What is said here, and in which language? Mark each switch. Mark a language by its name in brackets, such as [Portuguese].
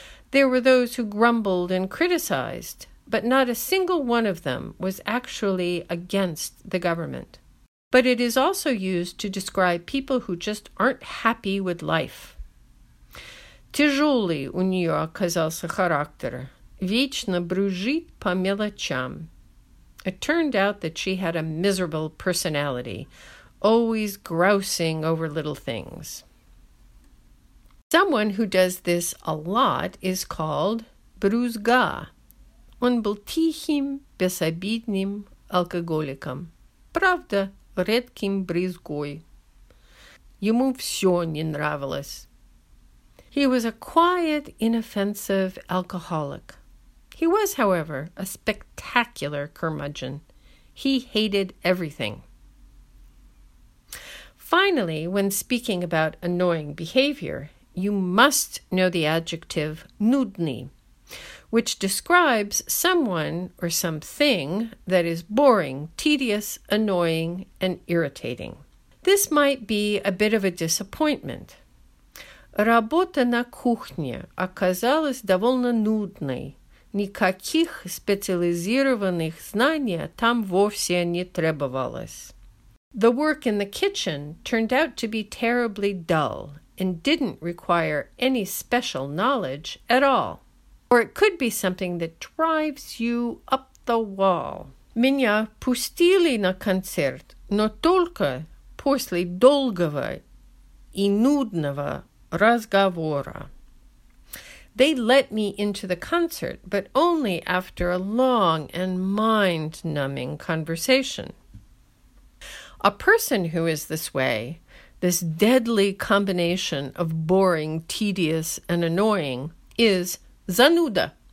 [English] There were those who grumbled and criticized, but not a single one of them was actually against the government. But it is also used to describe people who just aren't happy with life. [Russian] Тяжелый у нее оказался характер. Вечно брюжит по мелочам. [English] It turned out that she had a miserable personality, always grousing over little things. Someone who does this a lot is called брюзга. [Russian] Он был тихим, безобидным алкоголиком. Правда, редким брюзгой. Ему все не нравилось. [English] He was a quiet, inoffensive alcoholic. He was, however, a spectacular curmudgeon. He hated everything. Finally, when speaking about annoying behavior, you must know the adjective нудный, which describes someone or something that is boring, tedious, annoying, and irritating. This might be a bit of a disappointment. [Russian] Работа на кухне оказалась довольно нудной. Никаких специализированных знаний там вовсе не требовалось. [English] The work in the kitchen turned out to be terribly dull and didn't require any special knowledge at all. Or it could be something that drives you up the wall. [Russian] Меня пустили на концерт, но только после долгого и нудного разговора. [English] They let me into the concert, but only after a long and mind-numbing conversation. A person who is this way, this deadly combination of boring, tedious, and annoying, is zanuda.